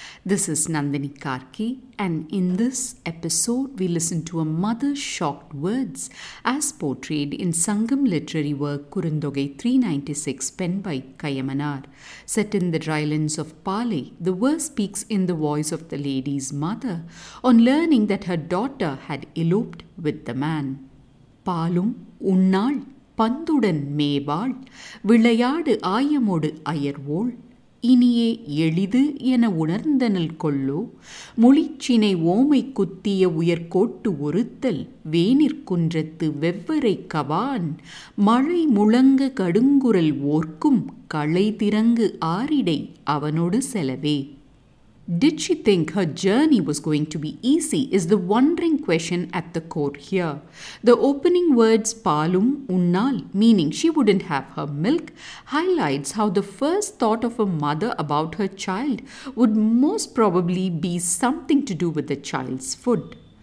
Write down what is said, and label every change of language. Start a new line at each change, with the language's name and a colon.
English: This is Nandini Karki, and in this episode we listen to a mother's shocked words as portrayed in Sangam literary work Kurundogai 396 penned by Kayamanar. Set in the drylands of Pali, the verse speaks in the voice of the lady's mother on learning that her daughter had eloped with the man.
Tamil: Palum unnal பந்துடன் மேவாள் விளையாடு ஆயமோடு அயர்வோள் இனியே எளிது என உணர்ந்தனல் கொள்ளோ முளிச்சினை ஓமை குத்திய உயர்கோட்டு ஒருத்தல் வேணிற்குன்றத்து வெவ்வரை கவான் மழை முழங்க கடுங்குரல் ஓர்க்கும் களைதிறங்கு ஆரிடை அவனோடு செலவே.
English: Did she think her journey was going to be easy is the wondering question at the core here. The opening words palum unnal, meaning she wouldn't have her milk, highlights how the first thought of a mother about her child would most probably be something to do with the child's food.